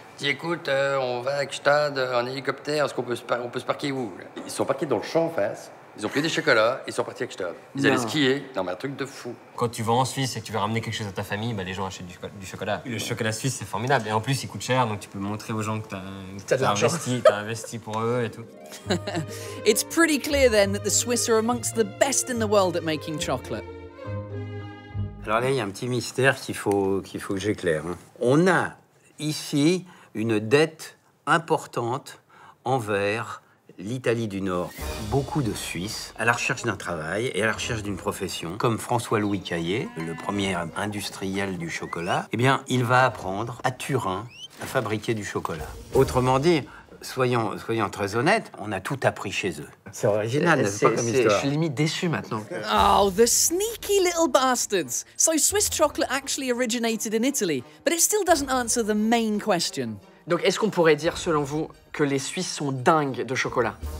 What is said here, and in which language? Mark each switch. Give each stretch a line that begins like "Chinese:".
French: Écoute, on va à Gstaad en hélicoptère, est-ce qu'on peut se parquer où? Ils sont parqués dans le champ en face, ils ont pris des chocolats, ils sont partis à Gstaad. Ils allaient skier, non mais un truc de fou. Quand tu vas en Suisse et que tu veux ramener quelque chose à ta famille, bah, les gens achètent du chocolat. Le chocolat suisse c'est formidable et en plus il coûte cher donc tu peux montrer aux gens que t'as investi pour eux et tout.
English: It's pretty clear then that the Swiss are amongst the best in the world at making chocolate.
French: Alors là il y a un petit mystère qu'il faut que j'éclaire. On a ici une dette importante envers l'Italie du Nord. Beaucoup de Suisses, à la recherche d'un travail et à la recherche d'une profession, comme François-Louis Caillet, le premier industriel du chocolat, eh bien, il va apprendre à Turin à fabriquer du chocolat. Autrement dit, soyons très honnêtes, on a tout appris chez eux. C'est original, c'est pas comme histoire. Je suis limite déçu maintenant.
English: Oh, the sneaky little bastards! So Swiss chocolate actually originated in Italy, but it still doesn't answer the main question.
French: Donc est-ce qu'on pourrait dire, selon vous, que les Suisses sont dingues de chocolat?